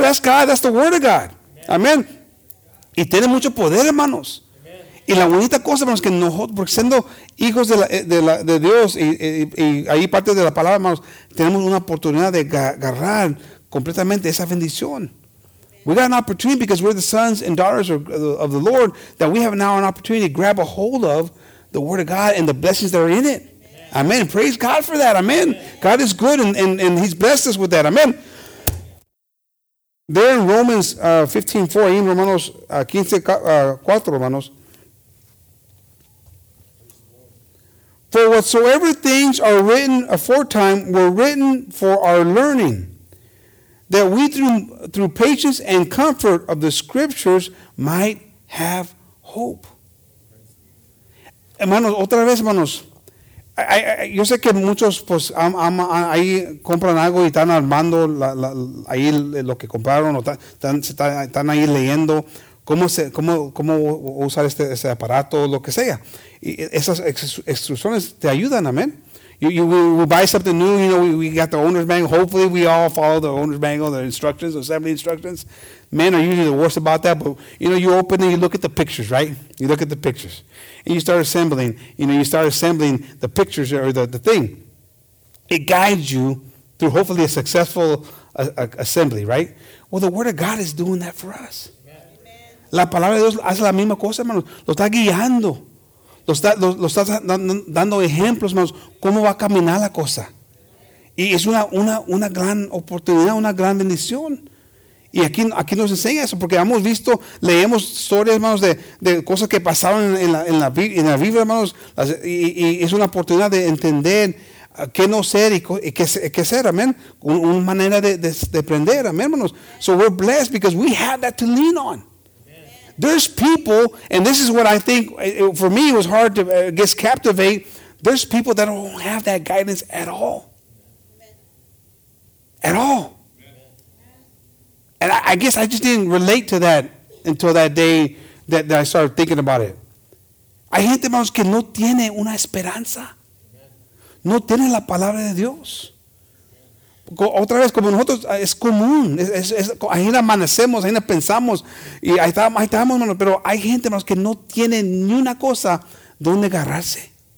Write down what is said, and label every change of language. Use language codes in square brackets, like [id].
[en] That's God, that's the word of God. Amén. [es] Y tiene mucho poder, hermanos. Y la bonita cosa, hermanos, que nosotros, porque siendo hijos de Dios y ahí parte de la palabra, hermanos, tenemos una oportunidad de agarrar completamente esa bendición. [en] We got an opportunity because we're the sons and daughters of the Lord that we have now an opportunity to grab a hold of the Word of God and the blessings that are in it. Amen. Amen. Praise God for that. Amen. Amen. God is good and He's blessed us with that. Amen. There in Romans 15:4, in [es] Romanos 15:4, hermanos. [en] For whatsoever things are written aforetime were written for our learning, that we through patience and comfort of the scriptures might have hope. [es] Hermanos, otra vez, hermanos. Yo sé que muchos, pues, ahí compran algo y están armando ahí lo que compraron, o están ahí leyendo cómo usar este aparato, lo que sea. Y esas instrucciones te ayudan, amén. [en] We buy something new, you know, we got the owner's manual. Hopefully we all follow the owner's manual, the instructions, the 70 instructions. Men are usually the worst about that, but, you know, you open and you look at the pictures, right? You look at the pictures. And you start assembling, you know, you start assembling the pictures or the thing. It guides you through hopefully a successful assembly, right? Well, the Word of God is doing that for us. [es] Amen. La palabra de Dios hace la misma cosa, hermano. Lo está guiando. Lo está dando ejemplos, hermanos, cómo va a caminar la cosa. Y es una gran oportunidad, una gran bendición. Y aquí nos enseña eso, porque hemos visto, leemos historias, hermanos, de cosas que pasaron en la Biblia, hermanos. Y es una oportunidad de entender qué no ser y qué ser, amén. Una manera de aprender, amén, hermanos. [en] So we're blessed because we have that to lean on. There's people, and this is what I think, for me, it was hard to get captivate. There's people that don't have that guidance at all. Amen. At all. Amen. And I guess I just didn't relate to that until that day that I started thinking about it. [es] Hay gente, hermanos, que no tiene una esperanza. Amen. No tiene la palabra de Dios. Otra vez, como nosotros, es común, ahí amanecemos, ahí pensamos, y ahí estamos, hermano, pero hay gente, hermanos, que no tiene ni una cosa donde agarrarse.